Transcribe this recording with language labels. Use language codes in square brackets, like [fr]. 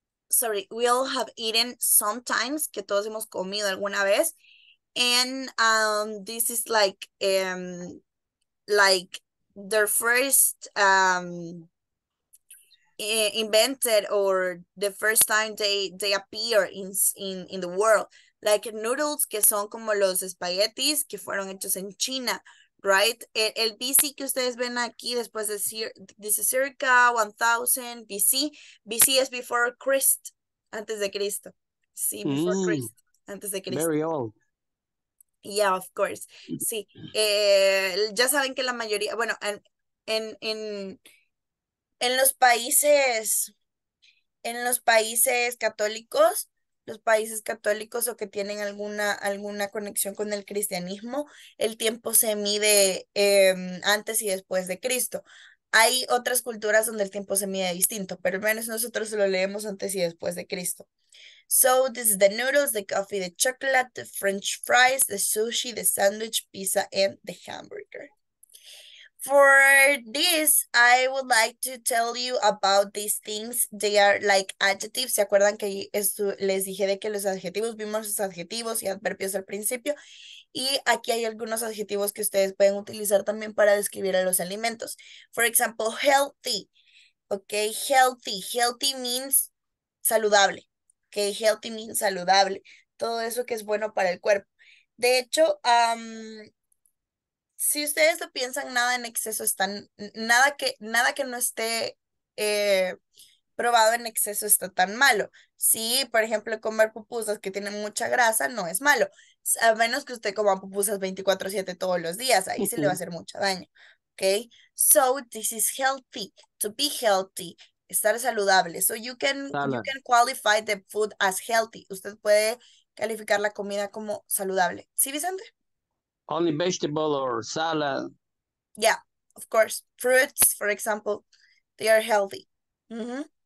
[en] Sorry, we all have eaten sometimes, [es] que todos hemos comido alguna vez. [en] And this is like their first invented or the first time they appear in the world. Like noodles, [es] que son como los espaguetis que fueron hechos en China, right? El BC que ustedes ven aquí después de dice circa 1000 BC. [en] BC is before Christ, [es] antes de Cristo. Sí, [en] before Christ, [es] antes de Cristo. [en] Very old. Yeah, of course. [es] Sí, ya saben que la mayoría, bueno, en los países católicos, los países católicos o que tienen alguna conexión con el cristianismo, el tiempo se mide antes y después de Cristo. Hay otras culturas donde el tiempo se mide distinto, pero al menos nosotros lo leemos antes y después de Cristo. [en] So, this is the noodles, the coffee, the chocolate, the french fries, the sushi, the sandwich, pizza, and the hamburger. For this, I would like to tell you about these things. They are like adjectives. [es] ¿Se acuerdan que les dije de que los adjetivos, vimos los adjetivos y adverbios al principio? Y aquí hay algunos adjetivos que ustedes pueden utilizar también para describir a los alimentos. [en] For example, healthy. Okay, healthy. Healthy means saludable. Okay, healthy means saludable. [es] Todo eso que es bueno para el cuerpo. De hecho, si ustedes lo piensan, nada en exceso está, nada que no esté probado en exceso está tan malo. Sí, por ejemplo, comer pupusas que tienen mucha grasa no es malo. A menos que usted coma pupusas 24/7 todos los días, ahí sí le va a hacer mucho daño. [en] Okay? So this is healthy, to be healthy, [es] estar saludable. [en] So you can qualify the food as healthy. [es] Usted puede calificar la comida como saludable. ¿Sí, Vicente? [en] Only vegetable or salad. Yeah, of course. Fruits, for example, they are healthy. Mm-hmm.